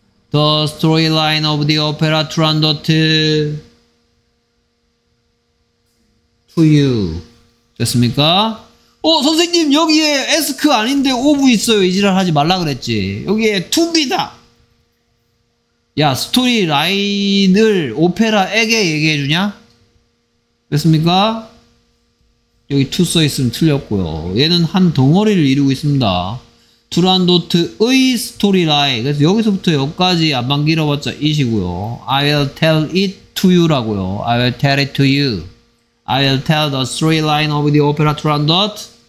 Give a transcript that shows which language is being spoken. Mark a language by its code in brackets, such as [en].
[en] The storyline of the opera Turandot to you. [ko] 됐습니까? 어, 선생님, 여기에 ask 아닌데 of 있어요. 이 지랄 하지 말라 그랬지. 여기에 to입니다. 야, 스토리라인을 오페라에게 얘기해 주냐? 됐습니까? 여기 to 써 있으면 틀렸고요. 얘는 한 덩어리를 이루고 있습니다. 투란도트의 스토리라인. 그래서 여기서부터 여기까지 앞만 길어봤자 이시고요. [en] I will tell it to you [ko] 라고요. [en] I will tell it to you. I will tell the storyline of the opera Turandot.